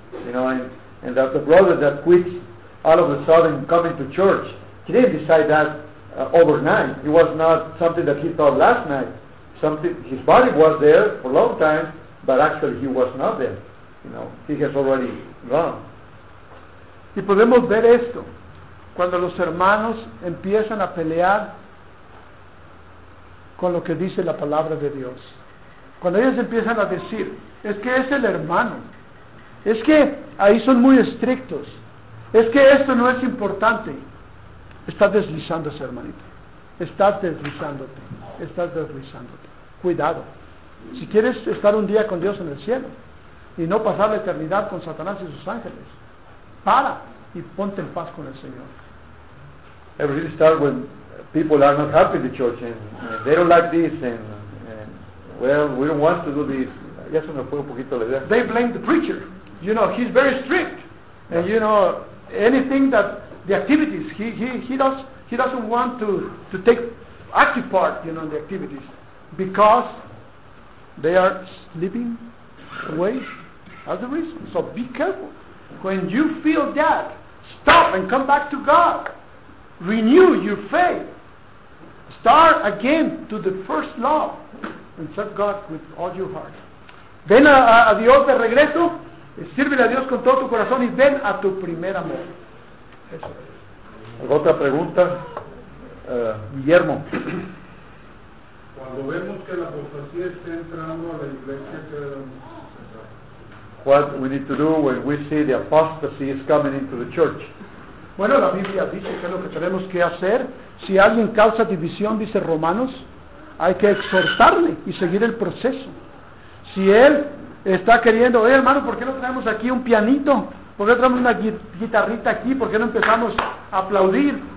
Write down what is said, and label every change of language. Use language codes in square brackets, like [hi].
[en] You know, and that the brother that quits all of a sudden coming to church, he didn't decide that overnight. It was not something that he thought last night. Something, his body was there for a long time, but actually he was not there. You know, he has already gone. [es] Y podemos ver esto cuando los hermanos empiezan a pelear con lo que dice la palabra de Dios. Cuando ellos empiezan a decir, es que es el hermano, es que ahí son muy estrictos, es que esto no es importante, estás deslizándose, hermanito, estás deslizándote, cuidado. Si quieres estar un día con Dios en el cielo y no pasar la eternidad con Satanás y sus ángeles, para y ponte en paz con el Señor. [en] It really starts when people are not happy in the church and they don't like this and well, we don't want to do this. [es] Ya se me fue un poquito la idea. [en] They blame the preacher. You know, he's very strict. And you know, anything that the activities he doesn't want to take active part, you know, in the activities because they are slipping away as a reason. So be careful. When you feel that, stop and come back to God. Renew your faith. Start again to the first love and serve God with all your heart. [es] Ven a Dios de regreso, sírvele a Dios con todo tu corazón y ven a tu primer amor. Eso. ¿Otra pregunta? Guillermo. Cuando vemos que la apostasía está entrando a la iglesia, ¿qué debemos hacer? [en] What we need to do when we see the apostasy is coming into the church? [es] Bueno, la Biblia dice que es lo que tenemos que hacer. Si alguien causa división, dice Romanos, hay que exhortarle y seguir el proceso. Si él está queriendo, oye hermano, ¿por qué no traemos aquí un pianito? ¿Por qué no traemos una guitarrita aquí? ¿Por qué no empezamos a aplaudir?